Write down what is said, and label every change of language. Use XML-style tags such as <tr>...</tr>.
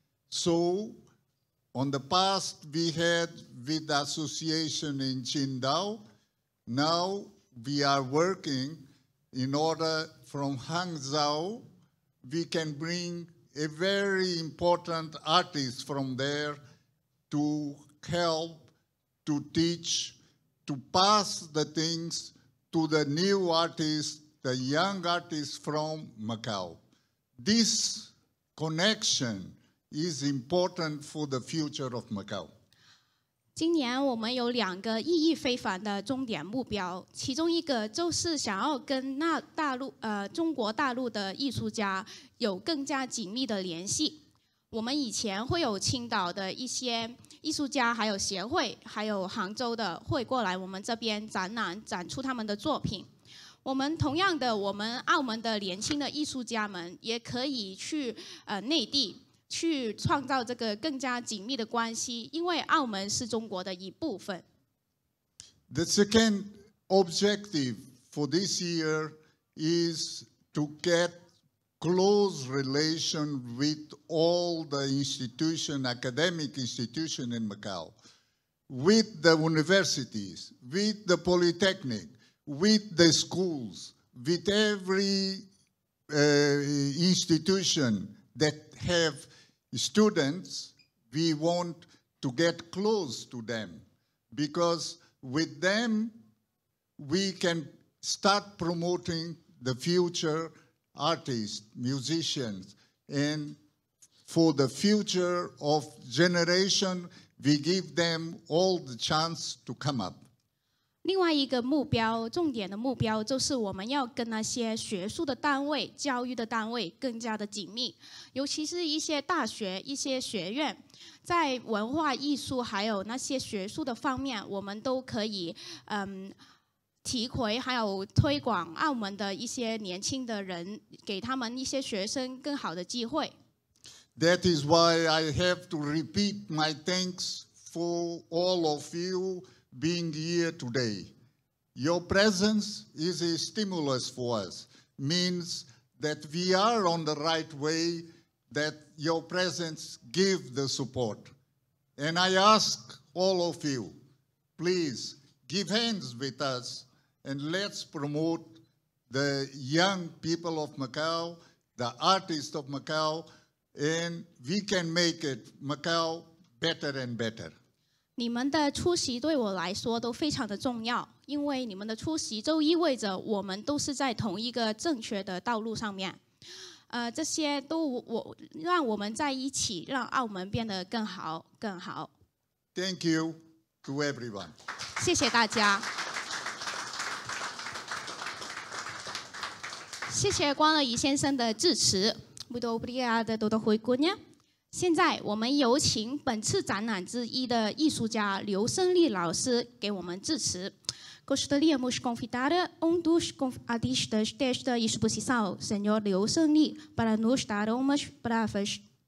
<en>So, on the past we had with the association in Qingdao, now we are working in order from Hangzhou, we can bring a very important artist from there to help, to teach, to pass the things to the new artist, the young artist from Macau. This connection is important for the future of Macau.</en> <zh>今年我们有两个意义非凡的重点目标，其中一个就是想要跟那大陆中国大陆的艺术家有更加紧密的联系。我们以前会有青岛的一些艺术家，还有协会，还有杭州的会过来我们这边展览，展出他们的作品。我们同样的，我们澳门的年轻的艺术家们也可以去内地去创造这个更加紧密的关系，因为澳门是中国的一部分。</zh> <en>The second objective for this year is to get close relation with all the institution, academic institution in Macau, with the universities, with the polytechnic, with the schools, with every institution that have students, we want to get close to them because with them we can start promoting the future artists, musicians, and for the future of generation, we give them all the chance to come up.</en> <zh>另外一个目标，重点的目标就是我们要跟那些学术的单位、教育的单位更加的紧密，尤其是一些大学、一些学院，在文化艺术还有那些学术的方面，我们都可以提携还有推广澳门的一些年轻的人，给他们一些学生更好的机会。</zh> <en>That is why I have to repeat my thanks for all of you being here today. Your presence is a stimulus for us, means that we are on the right way, that your presence gives the support. And I ask all of you, please give hands with us, and let's promote the young people of Macau, the artists of Macau, and we can make it Macau better and better.</en> <zh>你们的出席对我来说都非常的重要，因为你们的出席就意味着我们都是在同一个正确的道路上面。这些都让我们在一起，让澳门变得更好，更好。</zh> <en>Thank you to everyone.</en> <zh>谢谢大家。谢谢光乐仪先生的致辞。</zh> <pt>Muito obrigada, doutor Rui Cunha.</pt> <zh>现在我们有请本次展览之一的艺术家刘胜利老师给我们致辞。</zh> <pt>Gostaríamos de convidar um dos artistas desta exposição, senhor Liu Shengli, para nos dar umas palavras.</pt>